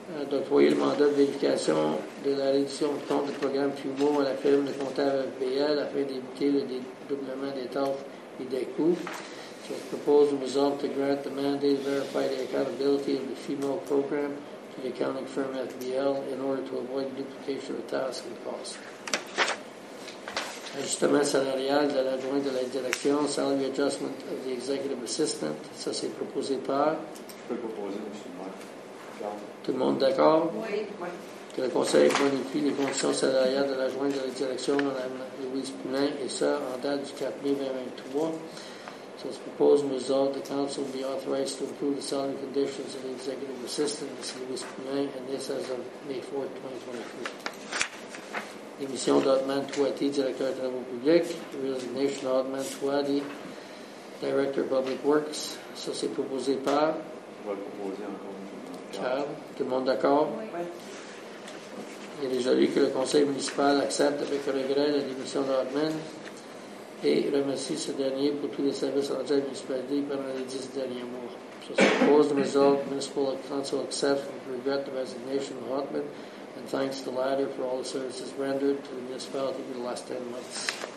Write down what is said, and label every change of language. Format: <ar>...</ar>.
<fr>Donc, voyez le mandat de vérification de la rédition de compte du programme FIMO à la firme de comptable FBL afin d'éviter le dédoublement des taxes et des coûts.</fr> <en>The proposal resolved to grant the mandate to verify the accountability of the FIMO program to the accounting firm FBL in order to avoid duplication of tasks and costs.</en> <fr>Ajustement salarial de l'adjoint de la direction,</fr> <en>salary adjustment of the executive assistant.</en> <fr>Ça, c'est proposé par? Je peux proposer, M. Marc. Tout le monde d'accord? Oui. Que le conseil bonifie les conditions salariales de l'adjoint de la direction, Mme Louise Poulin, et ça, en date du 4 mai 2023.</fr> <en>So it's proposed and resolved the council will be authorized to improve the salary conditions of the executive assistant, Ms. Louise Poulin, and this as of May 4th, 2023.</en> <fr>Démission d'Otman Touati, Directeur de Travaux Publics.</fr> <en>Resignation of Otman Touati, Director of Public Works.</en> <fr>So c'est proposé par? On va le proposer encore une fois. Charles, tout le monde d'accord? Oui. Il est résolu que le conseil municipal accepte avec regret la démission d'Otman et remercie ce dernier pour tous les services rendus à la municipalité pendant les 10 derniers mois.</fr> <en>So, I propose the result municipal council accepts with regret the resignation of Hotman and thanks the latter for all the services rendered to the municipality for the last 10 months.</en>